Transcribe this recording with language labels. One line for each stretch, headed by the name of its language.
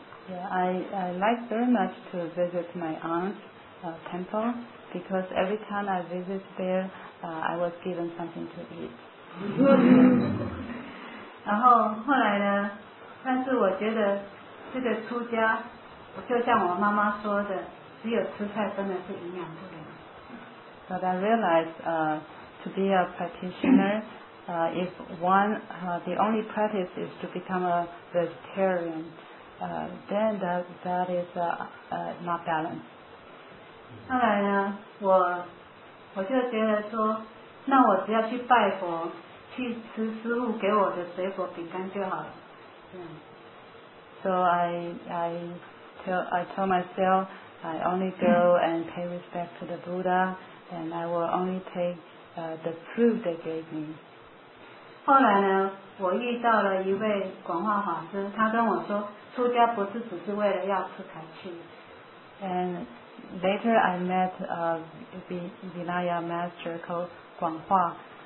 English: Yeah, I like very much to visit my aunt's temple because every time I visit there I was given something to eat.
Chinese: 然后后来呢，但是我觉得这个出家就像我妈妈说的，只有吃菜真的是营养不良。
English: But I realized to be a practitioner if one the only practice is to become a vegetarian then that is not balanced.
Chinese: 后来呢，我就觉得说，那我只要去拜佛，去吃师父给我的水果饼干就好了。
English: So I told myself I only go and pay respect to the Buddha and I will only take the fruit they gave me.
Chinese: 后来呢，我遇到了一位广化法师，他跟我说，出家不是只是为了要吃才去。
English: And later I met a Vinaya master called 广化。